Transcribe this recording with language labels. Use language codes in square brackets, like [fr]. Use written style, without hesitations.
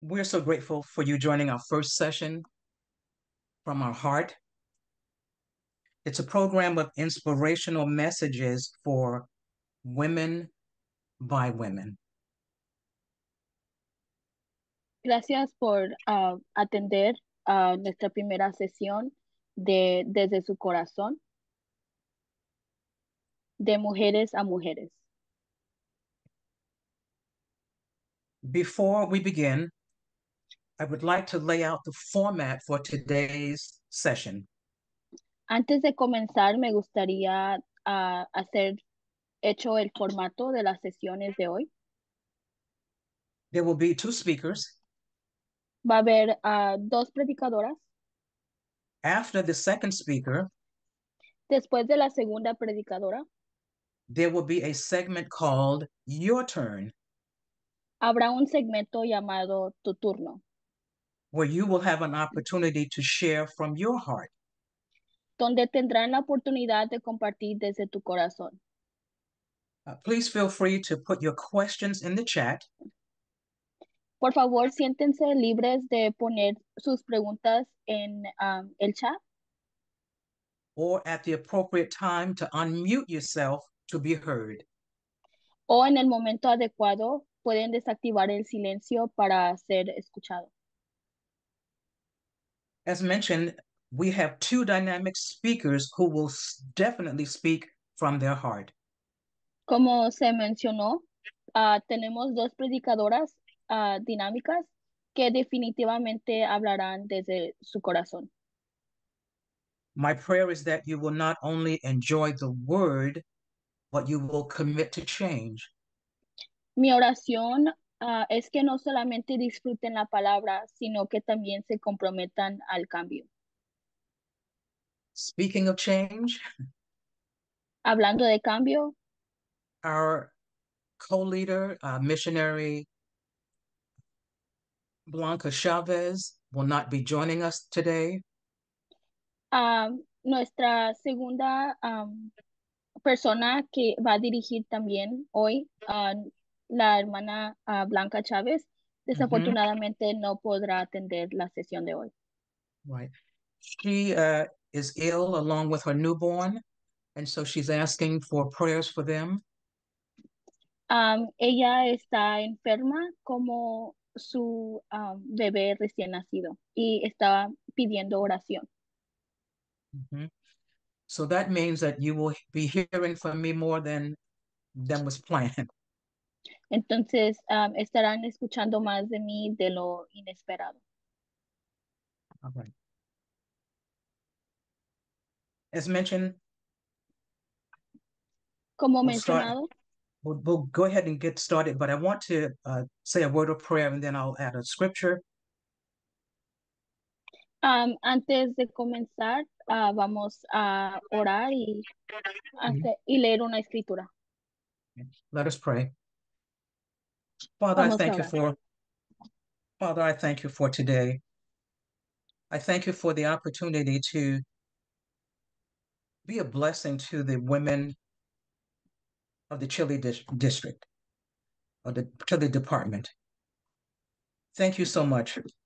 [en] We're so grateful for you joining our first session from our heart. It's a program of inspirational messages for women by women. [es] Gracias por atender a nuestra primera sesión de desde su corazón, de mujeres a mujeres. [en] Before we begin, I would like to lay out the format for today's session. [es] Antes de comenzar, me gustaría hecho el formato de las sesiones de hoy. [en] There will be two speakers. [es] Va a haber dos predicadoras. [en] After the second speaker, [es] después de la segunda predicadora, [en] there will be a segment called Your Turn. [es] Habrá un segmento llamado Tu Turno, [en] where you will have an opportunity to share from your heart. [es] Donde tendrán la oportunidad de compartir desde tu corazón. [en] Please feel free to put your questions in the chat. [es] Por favor, siéntense libres de poner sus preguntas en el chat. [en] Or at the appropriate time to unmute yourself to be heard. [es] O en el momento adecuado, pueden desactivar el silencio para ser escuchado. [en] As mentioned, we have two dynamic speakers who will definitely speak from their heart. [es] Como se mencionó, tenemos dos predicadoras dinámicas que definitivamente hablarán desde su corazón. [en] My prayer is that you will not only enjoy the word, but you will commit to change. [es] Mi oración es que no solamente disfruten la palabra, sino que también se comprometan al cambio. [en] Speaking of change, [es] Hablando de cambio, [en] our co-leader, missionary Blanca Chavez, will not be joining us today. [es] Nuestra segunda persona que va a dirigir también hoy, la hermana Blanca Chavez, desafortunadamente no podrá atender la sesión de hoy. [en] Right. She is ill along with her newborn, and so she's asking for prayers for them. [es] Ella está enferma como su bebé recién nacido y está pidiendo oración. [en] So that means that you will be hearing from me more than was planned. [es] Entonces, estarán escuchando más de mí de lo inesperado. [en] Okay. As mentioned, [es] como mencionado, [en] we'll go ahead and get started, but I want to say a word of prayer and then I'll add a scripture. [es] Antes de comenzar, vamos a orar y leer una escritura. [en] Let us pray. Father, I thank you for Father, I thank you for today. I thank you for the opportunity to be a blessing to the women of the Chile district or the Chile department. Thank you so much.